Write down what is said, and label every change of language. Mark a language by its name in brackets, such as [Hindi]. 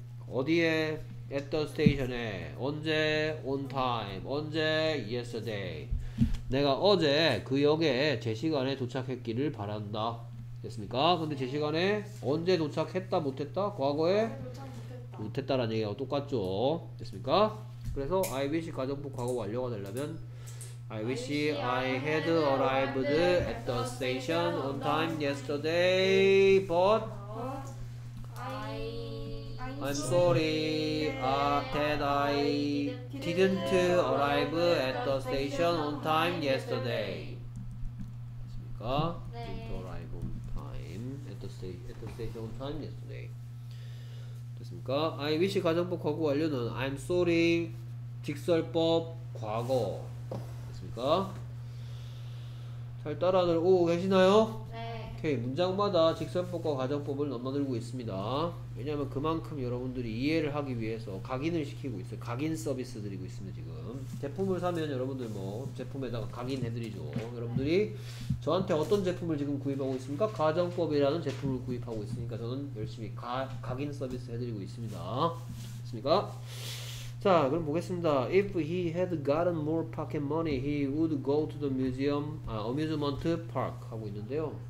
[Korean] 어디에? [English] At the station에. [Korean] 언제? [English] On time. 언제? Yesterday. [Korean] 내가 어제 그 역에 제 시간에 도착했기를 바란다. 됐습니까? 근데 제 시간에 언제 도착했다 못했다? 과거에? 못했다라는 얘기하고 똑같죠. 됐습니까? 그래서 [English] I wish [Korean] 가정부 과거 완료가 되려면 [English] I wish I had arrived at the station on time yesterday, but I'm sorry that I didn't arrive at the station on time yesterday. [Korean] 됐습니까? [English] Didn't arrive on time at the station on time yesterday. [Korean] 됐습니까? [English] I wish [Korean] 가정법 과거 완료는 [English] I'm sorry [Korean] 직설법 과거. 잘 따라오고 계시나요? 네. 오케이. 문장마다 직설법과 가정법을 넘나들고 있습니다. 왜냐하면 그만큼 여러분들이 이해를 하기 위해서 각인을 시키고 있어요. 각인 서비스 드리고 있습니다. 지금 제품을 사면 여러분들 뭐 제품에다가 각인해드리죠. 여러분들이 저한테 어떤 제품을 지금 구입하고 있습니까? 가정법이라는 제품을 구입하고 있으니까 저는 열심히 각인 서비스 해드리고 있습니다. 됐습니까? 자, 그럼 보겠습니다. [English] If he had gotten more pocket money, he would go to the museum, amusement park [Korean] 하고 있는데요.